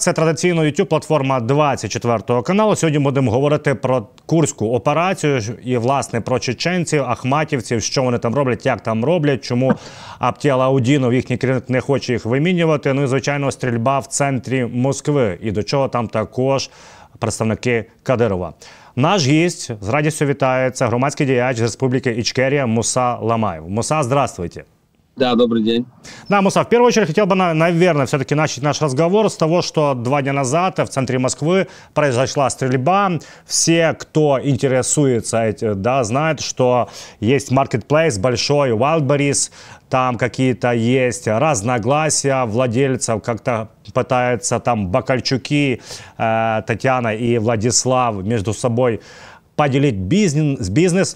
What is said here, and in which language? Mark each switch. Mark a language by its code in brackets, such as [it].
[uk] Це традиційно YouTube-платформа 24 каналу. Сьогодні будемо говорити про Курську операцію і, власне, про чеченців, ахматівців, що вони там роблять, як там роблять, чому Абті Алаудінов, їхній керівник, не хоче їх вимінювати. Ну і, звичайно, стрільба в центрі Москви. І до чого там також представники Кадирова. Наш гість з радістю вітається громадський діяч з Республіки Ічкерія Муса Ламаєв. [ru] Муса, здравствуйте! Да, добрый день. Да, Муса, в первую очередь хотел бы, наверное, все-таки начать наш разговор с того, что два дня назад в центре Москвы произошла стрельба. Все, кто интересуется, да, знают, что есть маркетплейс большой, Wildberries, там какие-то есть разногласия владельцев, как-то пытаются там Бакальчуки, Татьяна и Владислав между собой поделить бизнес.